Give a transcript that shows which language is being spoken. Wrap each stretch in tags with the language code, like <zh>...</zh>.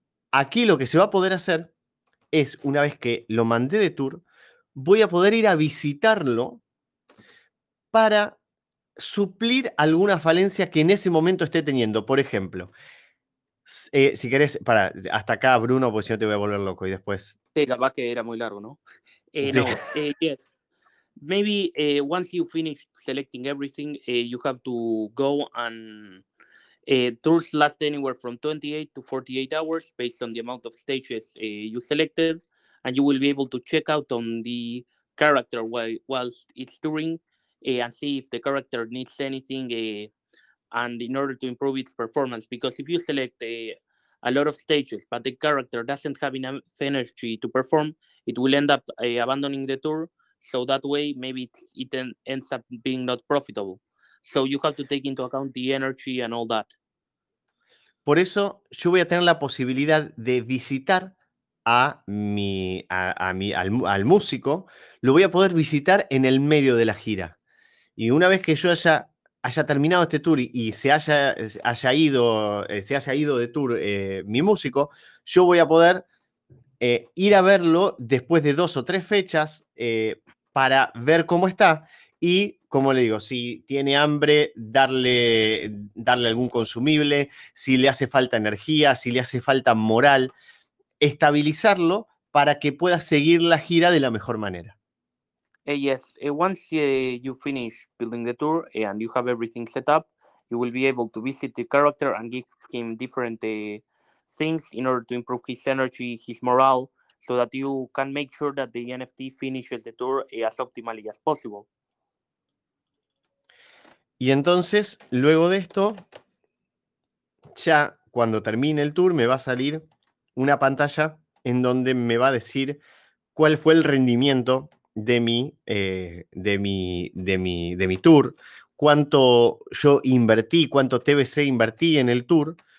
<es>Aquí lo que se va a poder hacer es, una vez que lo mandé de tour, voy a poder ir a visitarlo para suplir alguna falencia que en ese momento esté teniendo. Por ejemplo, si querés, para, hasta acá Bruno, porque si no te voy a volver loco y después... Sí, capaz que era muy largo, ¿no?</es> <en>Yes. Maybe once you finish selecting everything, you have to go and tours last anywhere from 28 to 48 hours based on the amount of stages you selected, and you will be able to check out on the character whilst it's touring and see if the character needs anything and in order to improve its performance. Because if you select a lot of stages but the character doesn't have enough energy to perform, it will end up abandoning the tour. So that way, maybe it ends up being not profitable. So you have to take into account the energy and all that.</en> <es>Por eso, yo voy a tener la posibilidad de visitar al músico. Lo voy a poder visitar en el medio de la gira. Y una vez que yo haya terminado este tour y se haya ido de tour mi músico, yo voy a poder ir a verlo después de dos o tres fechas para ver cómo está y, como le digo, si tiene hambre, darle algún consumible, si le hace falta energía, si le hace falta moral, estabilizarlo para que pueda seguir la gira de la mejor manera.</es> <en>Yes, once you finish building the tour and you have everything set up, you will be able to visit the character and give him different things in order to improve his energy, his morale, so that you can make sure that the NFT finishes the tour as optimally as possible.</en> <es>Y entonces, luego de esto, ya cuando termine el tour, me va a salir una pantalla en donde me va a decir cuál fue el rendimiento de mi tour, cuánto yo invertí, cuánto TBC invertí en el tour,</es>